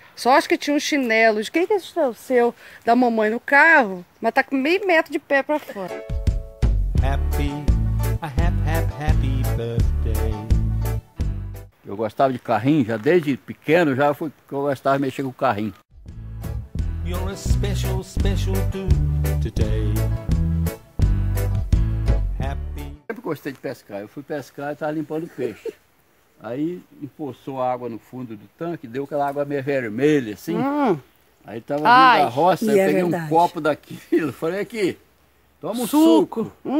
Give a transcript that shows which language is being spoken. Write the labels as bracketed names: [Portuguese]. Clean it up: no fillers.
[Portuguese] Só acho que tinha um chinelo, de quem que é o seu, da mamãe no carro, mas tá com meio metro de pé pra fora. [English] Happy, a happy birthday. [Portuguese] Eu gostava de carrinho, já desde pequeno, já fui, eu gostava de mexer com o carrinho. [English] You're a special, special dude today. [Portuguese] Eu gostei de pescar, eu fui pescar e estava limpando o peixe. Aí empoçou a água no fundo do tanque, deu aquela água meio vermelha, assim. Aí estava vindo da roça, aí eu peguei um copo daquilo, falei aqui, toma um suco.